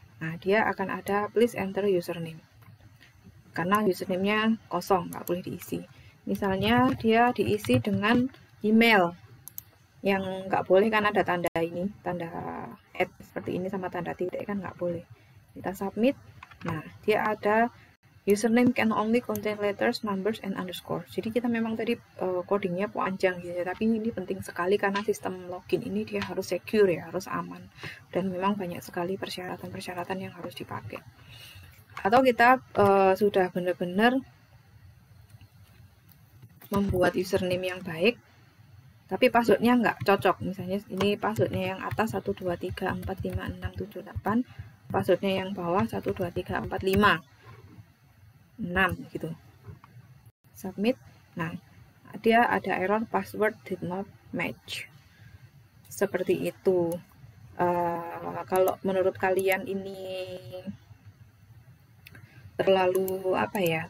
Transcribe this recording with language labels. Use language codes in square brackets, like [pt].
[id] Nah, dia akan ada [en] please enter username. [id] Karena username-nya kosong, nggak boleh diisi. Misalnya dia diisi dengan email yang nggak boleh kan ada tanda ini, tanda at seperti ini sama tanda titik kan nggak boleh. Kita submit, nah dia ada [en] Username can only contain letters, numbers, and underscore. [id] Jadi kita memang tadi codingnya panjang gitu ya, tapi ini penting sekali karena sistem login ini dia harus secure ya, harus aman. Dan memang banyak sekali persyaratan-persyaratan yang harus dipakai. Atau kita sudah benar-benar membuat username yang baik, tapi passwordnya nggak cocok. Misalnya ini passwordnya yang atas 123456789, passwordnya yang bawah 123456 gitu. Submit. Nah, dia ada error [en] password did not match. [id] Seperti itu. Kalau menurut kalian ini terlalu apa ya?